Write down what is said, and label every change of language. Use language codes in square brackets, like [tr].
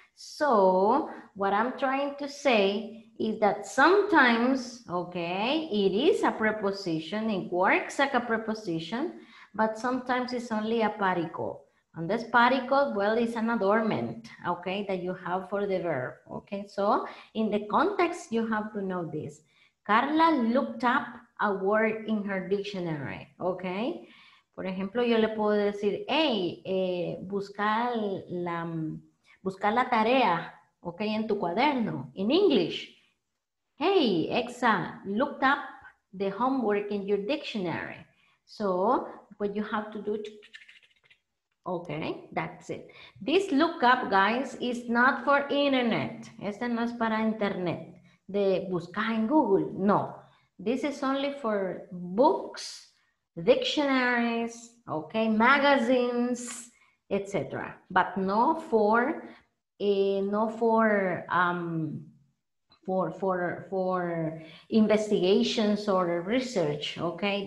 [en] So what I'm trying to say is that sometimes, okay, it is a preposition, it works like a preposition, but sometimes it's only a particle. And this particle, well, is an adornment, okay, that you have for the verb, okay? So in the context, you have to know this. Carla looked up a word in her dictionary, okay? [es] Por ejemplo, yo le puedo decir, hey, busca la tarea, okay, en tu cuaderno, [en] in English. Hey, Exa, looked up the homework in your dictionary. So, what you have to do, okay, that's it. This look up, guys, is not for internet. [es] Este no es para internet, de buscar en Google, no. [en] This is only for books, dictionaries, okay, magazines, etc. But not for investigations or research, okay?